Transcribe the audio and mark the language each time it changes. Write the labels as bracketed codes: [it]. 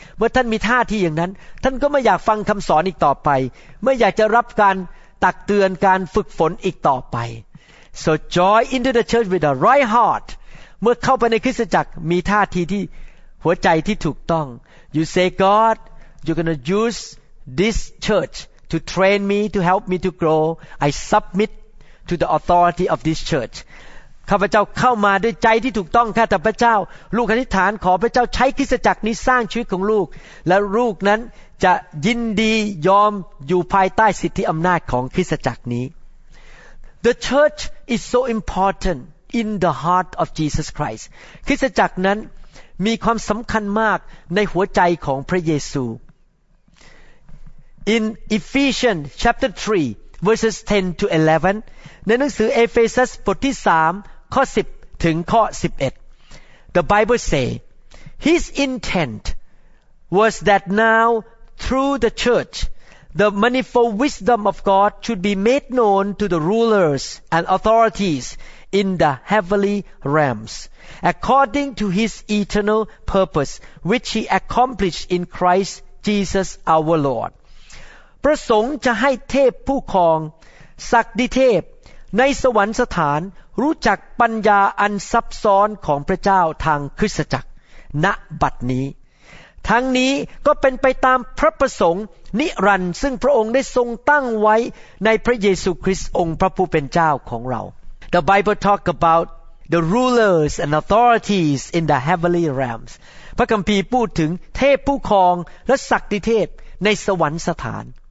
[th] เมื่อท่านมีท่าทีอย่างนั้นท่านก็ไม่อยากฟังคำสอนอีกต่อไปไม่อยากจะรับการตักเตือนการฝึกฝนอีกต่อไป [en] So join into the church with a right heart. [th] เมื่อเข้าไปในคริสตจักรมีท่าทีที่หัวใจที่ถูกต้อง [en] You say, God, you're going to use this church to train me, to help me to grow. I submit to the authority of this church. [th] ข้าพเจ้าเข้ามาด้วยใจที่ถูกต้องข้าแต่พระเจ้าลูกอธิษฐานขอพระเจ้าใช้คริสตจักรนี้สร้างชีวิตของลูกและลูกนั้นจะยินดียอมอยู่ภายใต้สิทธิอำนาจของคริสตจักรนี้ [en] The church is so important in the heart of Jesus Christ [th] คริสตจักรนั้นมีความสำคัญมากในหัวใจของพระเยซู [en] In Ephesians chapter 3verses 10 to 11 [th] ในหนังสือเอเฟซัสบทที่3ข้อ10ถึงข้อ11 [en] The Bible say His intent was that now through the church the manifold wisdom of God should be made known to the rulers and authorities in the heavenly realms, according to His eternal purpose, which He accomplished in Christ Jesus our Lord. [th] ประสงค์จะให้เทพผู้ครองศักดิเทพในสวรรคสถานรู้จักปัญญาอันซับซ้อนของพระเจ้าทางคริสตจักรณบัดนี้ ทั้งนี้ก็เป็นไปตามพระประสงค์นิรันดร์ซึ่งพระองค์ได้ทรงตั้งไว้ในพระเยซูคริสต์องค์พระผู้เป็นเจ้าของเรา [en] The Bible talk about the rulers and authorities in the heavenly realms [th] พระคัมภีร์พูดถึงเทพผู้ครองและศักดิเทพในสวรรคสถาน